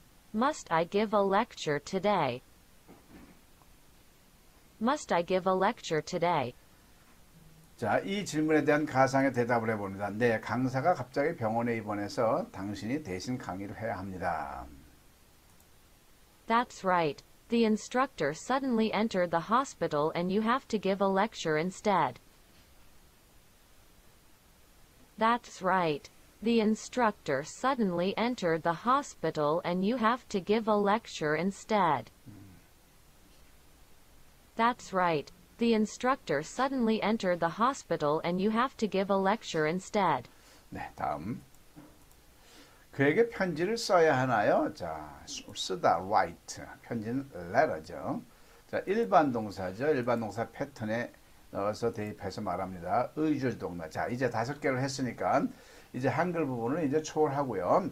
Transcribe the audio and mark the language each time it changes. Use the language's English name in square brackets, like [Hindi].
[English] Must I give a lecture today? Must I give a lecture today? [Korean] 자, 이 질문에 대한 가상의 대답을 해봅니다. 네, 강사가 갑자기 병원에 입원해서 당신이 대신 강의를 해야 합니다. [English] That's right. The instructor suddenly entered the hospital and you have to give a lecture instead. That's right. The instructor suddenly entered the hospital and you have to give a lecture instead. That's right. The instructor suddenly entered the hospital and you have to give a lecture instead. [Korean] 네, 다음. 그에게 편지를 써야 하나요? 자, 쓰다, write. 편지는 letter죠. 자, 일반 동사죠. 일반 동사 패턴에 넣어서 대입해서 말합니다. 의조지 동사. 자, 이제 다섯 개를 했으니까 이제 한글 부분을 이제 초월하고요.